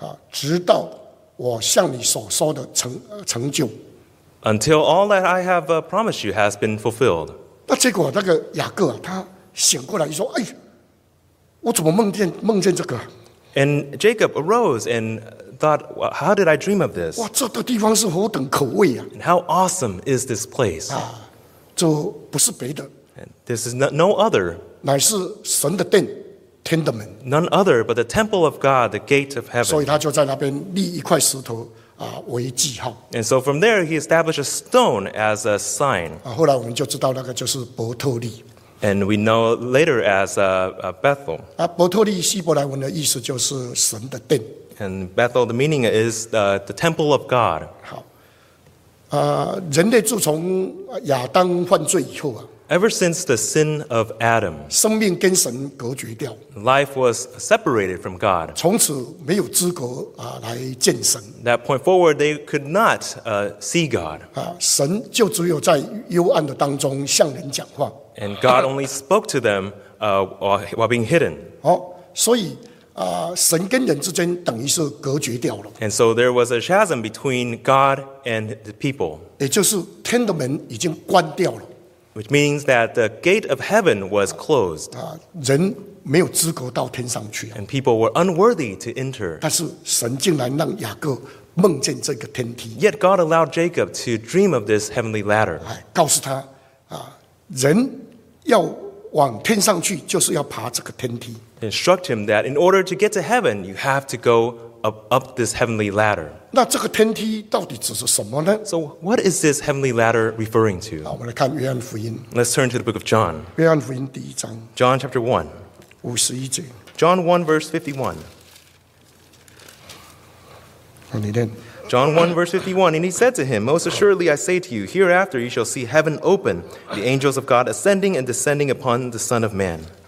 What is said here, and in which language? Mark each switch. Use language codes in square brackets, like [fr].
[zh] 直到我向你所说的成就。 [en] Until all that I have promised you has been fulfilled. [zh] 那结果那个雅各他醒过来说哎我怎么梦见这个。 [en] And Jacob arose and thought, how did I dream of this? [zh] 哇这个地方是何等可畏。 [en] And how awesome is this place? [zh] 这不是别的。 [en] And this is no other. [zh] 乃是神的殿。 [en] None other but the temple of God, the gate of heaven. [zh] 所以他就在那边立一块石头为记号。 [en] And so from there, he established a stone as a sign. [zh] 后来我们就知道那个就是伯特利。 [en] And we know later as Bethel. [zh] 伯特利希伯来文的意思就是神的殿。 [en] And Bethel, the meaning is the temple of God. [zh] 好，人类自从亚当犯罪以后啊。 [en] Ever since the sin of Adam, [zh] 生命跟神隔绝掉, [en] life was separated from God. [zh] 从此没有资格, 来见神。 [en] That point forward, they could not, see God. [zh] 神就只有在幽暗的当中向人讲话。 [en] And God only spoke to them, while being hidden. [zh] 所以, 神跟人之间等于是隔绝掉了。 [en] And so there was a chasm between God and the people. [zh] 也就是天的门已经关掉了。 [en] Which means that the gate of heaven was closed. [zh] 人没有资格到天上去。 [en] And people were unworthy to enter. [zh] 但是神竟然让雅各梦见这个天梯。 [en] Yet God allowed Jacob to dream of this heavenly ladder. [zh] 告诉他，人要往天上去，就是要爬这个天梯。 [en] Instruct him that in order to get to heaven, you have to go up this heavenly ladder. [zh] 那这个天梯到底指的是什么呢？ [en] So what is this heavenly ladder referring to? [zh] 我们来看约翰福音。 [en] Let's turn to the book of John. [zh] 约翰福音第一章。 [en] John chapter 1. [zh] 五十一节。 [en] John 1 verse 51. [zh] 你念。 [en] John 1 verse 51. And he said to him, Most assuredly I say to you, Hereafter you shall see heaven open, the angels of God ascending and descending upon the Son of Man.